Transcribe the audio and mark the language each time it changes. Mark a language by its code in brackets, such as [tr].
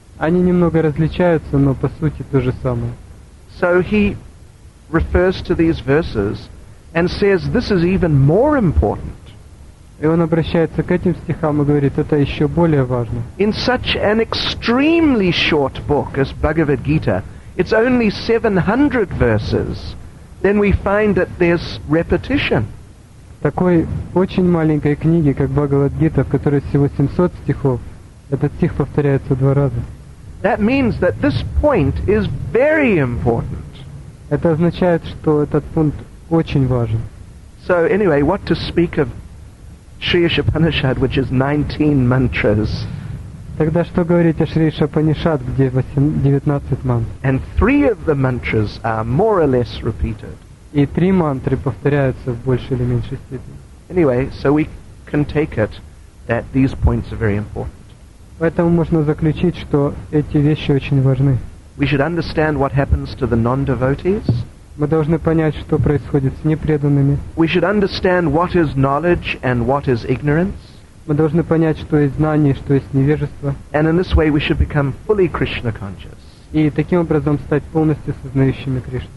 [ru] Они немного различаются, но по сути то же самое. [en] So he refers to these verses and says this is even more important. [ru] И он обращается к этим стихам и говорит, это еще более важно. [en] In such an extremely short book as Bhagavad Gita, it's only 700 verses. Then we find that there's repetition. [ru] Такой очень маленькой книге, как Бхагавад Гита, в которой всего 700 стихов, этот стих повторяется два раза. [en] That means that this point is very important. [ru] Это означает, что этот пункт очень важен. [en] So anyway, what to speak of Shri Upanishad, which is 19 mantras. [ru] Тогда что говорить о Шри Шапанишад, где 19 мантр? [en] And three of the mantras are more or less repeated. [ru] И три мантры повторяются в большей или меньшей степени. [en] Anyway, so we can take it that these points are very important. [ru] Поэтому можно заключить, что эти вещи очень важны. [en] We should understand what happens to the non-devotees. [ru] Мы должны понять, что происходит с непреданными. [en] We should understand what is knowledge and what is ignorance. [ru] Мы должны понять, что есть знание, что есть невежество. [en] And in this way we should become fully Krishna conscious. [ru] И таким образом стать полностью сознающими Кришну.